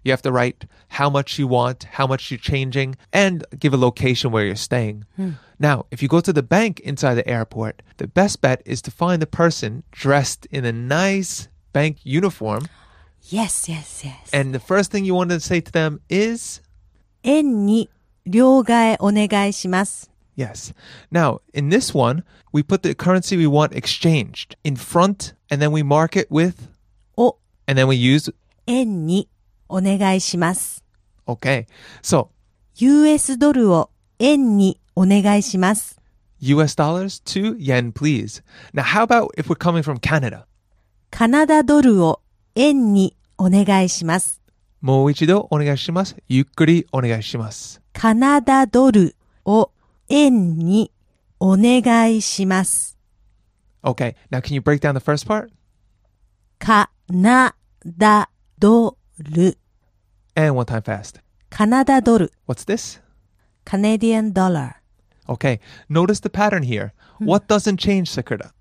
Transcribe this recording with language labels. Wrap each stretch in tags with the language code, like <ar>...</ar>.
<en>You have to write how much you want, how much you're changing, and give a location where you're staying. Hmm. Now, if you go to the bank inside the airport, the best bet is to find the person dressed in a nice bank uniform. Yes, yes, yes. And the first thing you want to say to them is...</en> <ja>円に了解お願いします.</ja> <en>Yes. Now, in this one, we put the currency we want exchanged in front, and then we mark it with</en> <ja>お.</ja> <en>And then we use</en> <ja>円にお願いします.</ja> <en>Okay. So,</en> <ja>US ドルを円にお願いします.</ja> <en>US dollars to yen, please. Now, how about if we're coming from Canada?</en> <ja>カナダドルを円にお願いします. もう一度お願いします.ゆっくりお願いします. カナダドルを 円にお願いします.</ja> <en>Okay, now can you break down the first part?</en> <ja>カナダドル.</ja> <en>And one time fast.</en> <ja>カナダドル.</ja> <en>What's this? Canadian dollar. Okay, notice the pattern here. What doesn't change, Sakura?</en>